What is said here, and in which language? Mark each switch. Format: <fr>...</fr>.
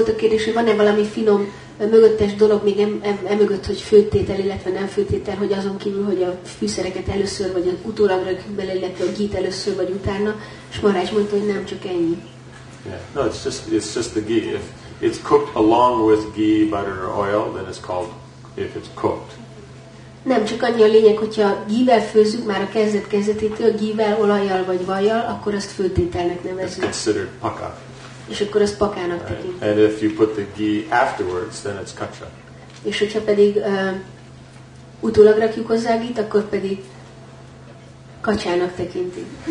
<hu>És hogy van-e valami finom mögöttes dolog még emögött, hogy főtétel, illetve nem főtétel, hogy azon kívül, hogy a fűszereket először, vagy utólag rakjuk bele, illetve a ghee-t először, vagy utána, és Marács mondta, hogy nem csak ennyi.</hu> <en>Yeah. No, it's just the ghee. If it's cooked along with ghee, butter or oil, then it's called, if it's cooked.</en> <hu>Nem, csak annyi a lényeg, hogyha ghee-vel főzzük már a kezdetétől, ghee-vel, olajjal vagy vajjal, akkor azt főtételnek nevezzük.</hu> <en>It's considered paka.</en> <hu>És akkor az pakának tekint.</hu> <en>Right. And if you put the ghee afterwards, then it's kacsa.</en> <hu>És hogyha pedig utólag rakjuk hozzá a ghee-t, akkor pedig kacsának tekinti.</hu>